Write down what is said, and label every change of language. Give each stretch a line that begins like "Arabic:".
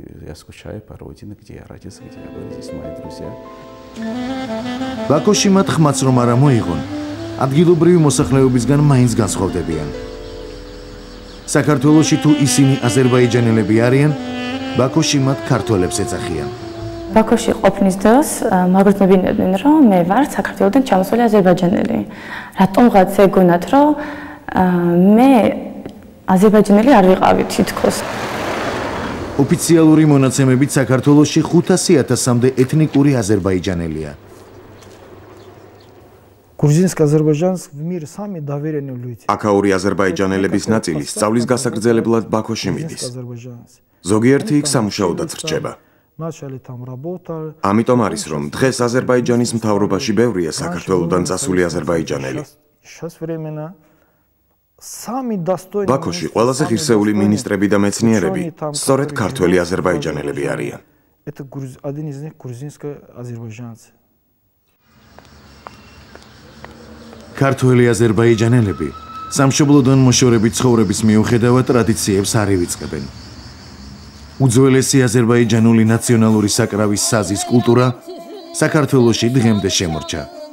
Russian: Я скучаю по родине, где я родился, где я был, здесь мои друзья.
Georgian: ბაქოში მათ ხმაც რომ არ მოიღონ. ადგილობრივი მოსახლეობისგან მაინც განსხვავდებიან. საქართველოში თუ ისინი აზერბაიჯანელები არიან, ბაქოში მათ ქართველებს ეძახიან. ბაქოში ყოფნის დროს მაგრძნობინებდნენ, რომ მე ვარ საქართველოდან ჩამოსული აზერბაიჯანელი. რატომღაც ეგონათ, რომ მე აზერბაიჯანელი არ ვიყავი თითქოს. ოფიციალური მონაცემებით საქართველოში 500,000-მდე ეთნიკური აზერბაიჯანელია.
Russian: Грузинский азербайджанец в мире самые доверенные люди.
Georgian: Акаури азербайджанელების ნაწილი სწავლის გასაგრძელებლად ბაქოში მიდის. ზოგიერთი იქ სამუშაოდაც რჩება.
Russian: Начали там работать.
Georgian: ამიტომ არის რომ დღეს აზერბაიჯანის მთავრობაში ბევრია საქართველოდან წასული აზერბაიჯანელი.
Russian: Сейчас временно самые достойные
Georgian: ბაქოში ყველაზე ღირსეული მინისტრები და მეცნიერები სწორედ ქართველი აზერბაიჯანელები არიან.
Russian: Это один из них грузинский азербайджанец.
Georgian: ქართველი აზერბაიჯანელები სამშობლოდან მოშორებით ცხოვრების მიუხედავად ტრადიციებს არ ივიწყებენ. უძველესი აზერბაიჯანული ნაციონალური საკრავის საზის კულტურა საქართველოში დღემდე შემორჩა.